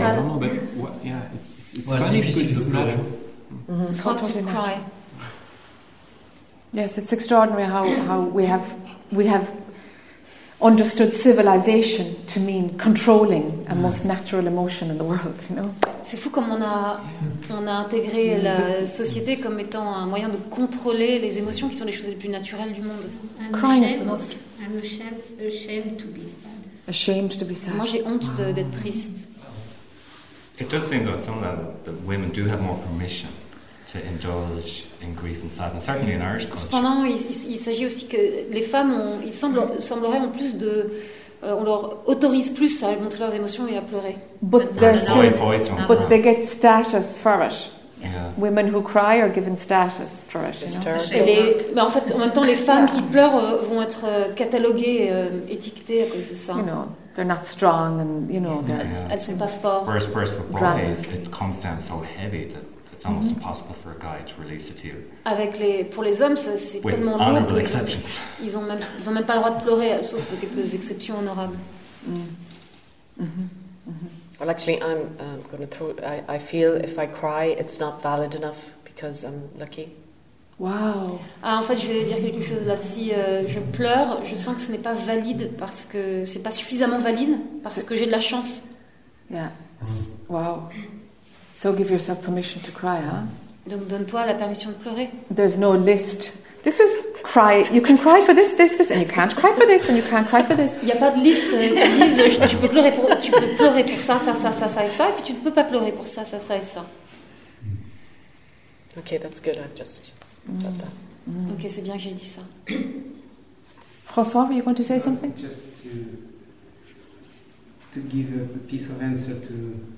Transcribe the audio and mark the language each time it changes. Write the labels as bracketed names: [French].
[English] I don't know, but it's funny because it's natural. It's hard to cry. Yes, it's extraordinary how we have understood civilization to mean controlling a most natural emotion in the world, you know. [French] C'est fou comme on a intégré la société comme étant un moyen de contrôler les émotions qui sont les choses les plus naturelles du monde. [English] Crying is the most. I'm ashamed to be sad. Ashamed to be sad. [French] Moi, j'ai honte d'être triste. [English] It does seem that somehow that women do have more permission to indulge in grief and sadness, certainly in Irish culture. [French] Cependant, il s'agit aussi que les femmes ont, il semblerait en plus de, on leur autorise plus à montrer leurs émotions et à pleurer. [English] But they're still, no, but they get status for it. Yeah. Women who cry are given status for it. You know? [French] Mais en fait, en même temps, les femmes qui pleurent vont être cataloguées, étiquetées à cause de ça. [English] You know, they're not strong, and you know, they're [French] elles sont pas fortes. [English] Whereas for boys, it comes down so heavy that. It's almost impossible for a guy to release a tear. [French] Avec les pour les hommes, ça c'est [English] with [French] tellement honorable [English] Honorable exceptions. [French] Ils ont même pas le droit de pleurer, sauf quelques exceptions honorables. Mm. [English] Mm-hmm. Well, actually, I'm going to throw. I feel if I cry, it's not valid enough because I'm lucky. Wow. [French] Ah, en fait, je vais dire quelque chose là. Si je pleure, je sens que ce n'est pas valide parce que c'est pas suffisamment valide parce que j'ai de la chance. [English] Yeah. Wow. So give yourself permission to cry, huh? [French] Donc donne-toi la permission de pleurer. [English] There's no list. This is cry. You can cry for this, this, this, and you can't cry for this, and you can't cry for this. Il y a pas de liste qui dise tu peux pleurer pour ça, ça, ça, ça, ça et ça, et puis tu ne peux pas pleurer pour ça, ça, ça et ça. Okay, that's good. I've just said that. [French] Mm. Okay, c'est bien que j'ai dit ça. [English] François, were you going to say something? Just to give a piece of answer to.